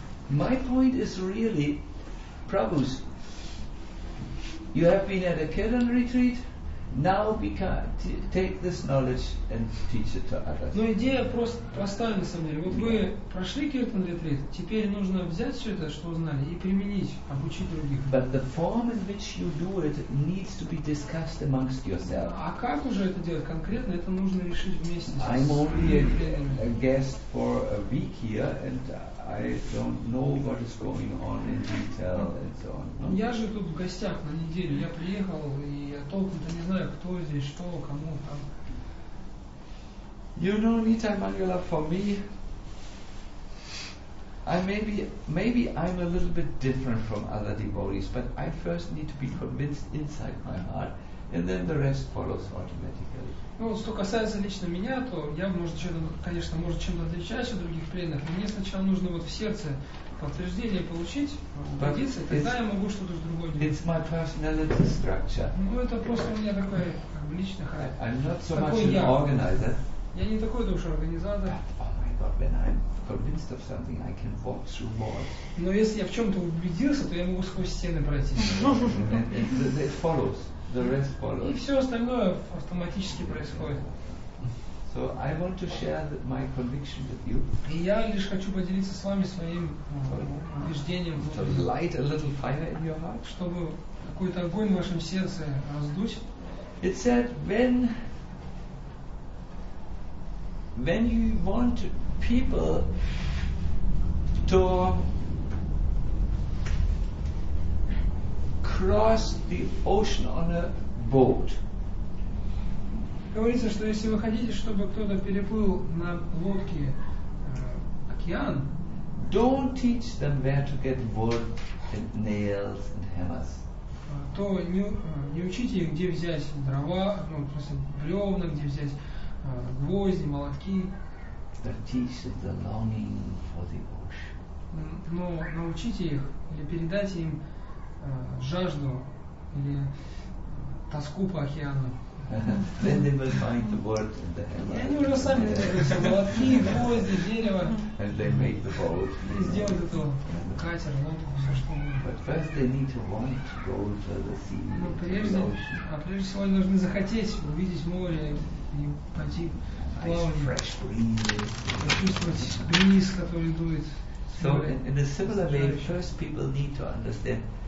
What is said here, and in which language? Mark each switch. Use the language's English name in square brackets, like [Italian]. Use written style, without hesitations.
[English] My point is really, Prabhus, you have been at a Kirtan retreat, now we can take this knowledge and teach it to others. [Russian] Но идея просто простая на самом деле. Вот вы прошли [English] Kirtan retreat, [Russian] теперь нужно взять все это, что узнали, и применить, обучить других. [English] But the form in which you do it needs to be discussed amongst yourselves. [Russian] А как уже это делать конкретно, это нужно решить вместе. [English] I'm only a guest for a week here, and I don't know what is going on in detail and so on. [Russian] Ну, я же тут в гостях на неделю, я приехал, и я толком-то не знаю, кто здесь, что, кому там. [English] You know, Nita Mangala, for me, maybe I'm a little bit different from other devotees, but I first need to be convinced inside my heart, and then the rest follows automatically. [Russian] Ну, что касается лично меня, то я, может, чем-то отличаюсь от других пленных, но мне сначала нужно вот в сердце подтверждение получить, убедиться, тогда я могу что-то другое делать. [English] It's my personality structure. [Russian] Ну, это просто у меня такой личный характер. [English] I'm not so much an organizer. [Russian] Я не такой уж организатор. [English] Oh my God, when I'm convinced of something, I can walk through walls. [Russian] Но если я в чем-то убедился, то я могу сквозь стены пройти. [English] It follows. The rest follows. [Russian] И все остальное автоматически происходит. [English] So I want to share my conviction with you. [Russian] И я лишь хочу поделиться с вами своим убеждением. [English] To light a little fire in your heart. [Russian] Чтобы какой-то огонь в вашем сердце раздуть. [English] It said when you want people to cross the ocean on a boat. [Russian] Говорится, что если вы хотите, чтобы кто-то переплыл на лодке океан, [English] don't teach them where to get wood and nails and hammers. [Russian] То не учите их, где взять дрова, ну, то есть бревна, где взять гвозди, молотки. [English] But teach them the longing for the ocean. [Russian] Но научите их или передайте им жажду или тоску по океану. [English] Then they will find the word in the hammer. [Russian] Они уже сами найдут молотки, гвозди, дерево. [English] And they make the boat. [Russian] И сделают эту катер, лодку, все что угодно. [English] But first they need to want to go to the sea. [Russian] Но прежде всего они должны захотеть увидеть море и пойти плавать. Чувствовать бриз, который дует. [English] So in a similar way, first people need to understand.